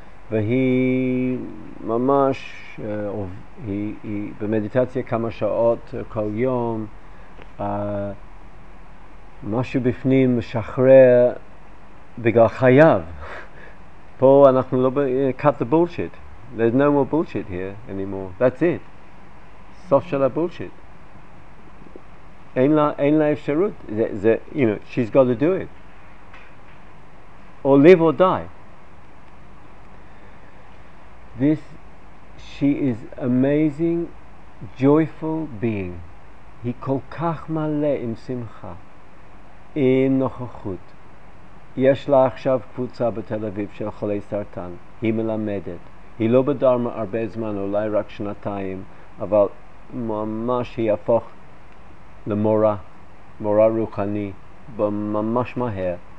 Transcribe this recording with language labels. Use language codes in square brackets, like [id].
[he] והיא ממש, היא במדיטציה כמה שעות כל יום, משהו בפנים משחרר בגלל חייו. פה אנחנו לא [en] cut the bullshit. There's no more bullshit here anymore. That's it. [he] סוף של הבולשיט. אין לה אפשרות. זה, [en] you know, she's got to do it. Or live or die. This, she is amazing, joyful being. [he] היא כל כך מלא עם שמחה, עם נוכחות. יש לה עכשיו קבוצה בתל אביב של חולי סרטן, היא מלמדת. היא לא בדרמה הרבה זמן, אולי רק שנתיים, אבל ממש היא הפוך למורה, מורה רוחני, ממש מהר.